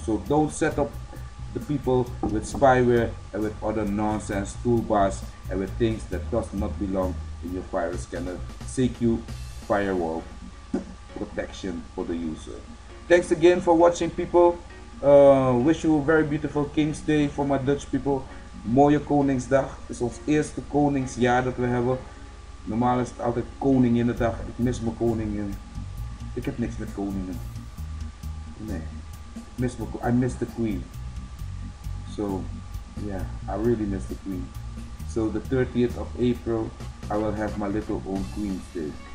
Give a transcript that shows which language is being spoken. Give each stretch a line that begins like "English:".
English: So don't set up the people with spyware and with other nonsense toolbars and with things that does not belong in your virus scanner. Seek you firewall protection for the user. Thanks again for watching, people. Wish you a very beautiful King's Day for my Dutch people.
Dutch: Mooie Koningsdag. Het is ons eerste koningsjaar dat we hebben. Normaal is het altijd Koninginnedag. Ik mis mijn koningin. Ik heb niks met koningen. Nee,
English: I miss the queen. So yeah, I really miss the queen. So the 30th of April I will have my little own Queen's Day.